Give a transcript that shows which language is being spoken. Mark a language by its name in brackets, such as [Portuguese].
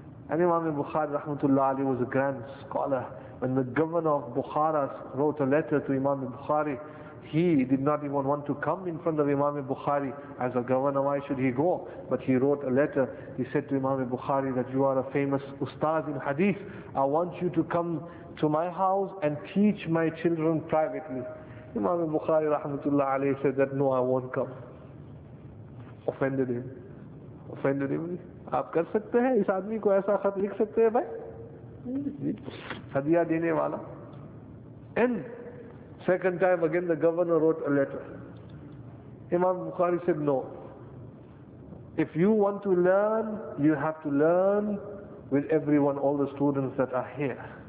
[English] And Imam Bukhari rahmatullah alayhi was a grand scholar. When the governor of Bukhara wrote a letter to Imam Bukhari, he did not even want to come in front of Imam Bukhari as a governor. Why should he go? But he wrote a letter. He said to Imam Bukhari that you are a famous ustaz in hadith. I want you to come to my house and teach my children privately. Imam Bukhari rahmatullah alayhi said that, no, I won't come. Offended him. [Hindi] आप कर सकते हैं इस आदमी को ऐसा खत लिख सकते हैं भाई? हदिया देने वाला. [English] And second time again the governor wrote a letter. Imam Bukhari said, no. If you want to learn, you have to learn with everyone, all the students that are here.